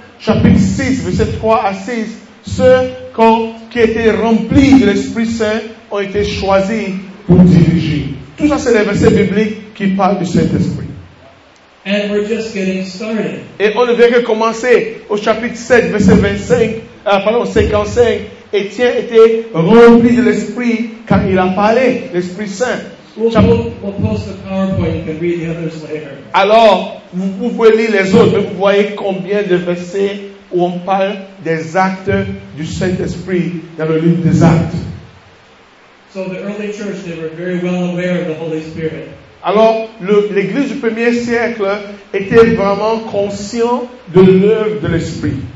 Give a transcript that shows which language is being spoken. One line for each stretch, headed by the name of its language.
French: Chapitre 6, verset 3 à 6, ceux qui étaient remplis de l'Esprit Saint ont été choisis pour diriger. Tout ça, c'est les versets bibliques qui parlent du Saint-Esprit.
English: And we're just getting started.
French: Et on ne vient que commencer au chapitre 7, verset 25, pardon, 55. Étienne était rempli de l'Esprit quand il a parlé, l'Esprit Saint.
English: We'll post the PowerPoint, you can read the others later.
French: Alors, vous pouvez lire les autres, mais vous voyez combien de versets où on parle des actes du Saint-Esprit dans le livre des Actes.
English: So the early church, they were very well aware of the Holy Spirit.
French: Alors, l'Église du premier siècle était vraiment consciente de l'œuvre de l'Esprit.